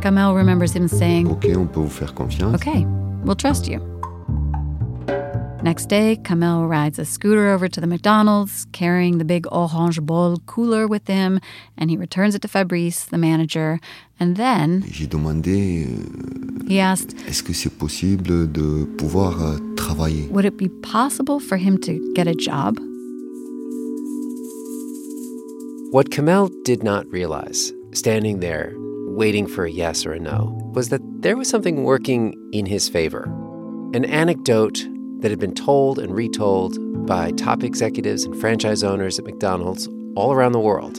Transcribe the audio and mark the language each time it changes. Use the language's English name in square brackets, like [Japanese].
[English] Kamel remembers him saying, [French] okay, on peut vous faire confiance. [English] Okay, we'll trust you. Next day, Kamel rides a scooter over to the McDonald's, carrying the big orange bowl cooler with him, and he returns it to Fabrice, the manager, and then [French] j'ai demandé, [English] he asked, [French] est-ce que c'est possible de pouvoir travailler? [English] Would it be possible for him to get a job? What Kamel did not realize standing there, waiting for a yes or a no, was that there was something working in his favor. An anecdote that had been told and retold by top executives and franchise owners at McDonald's all around the world.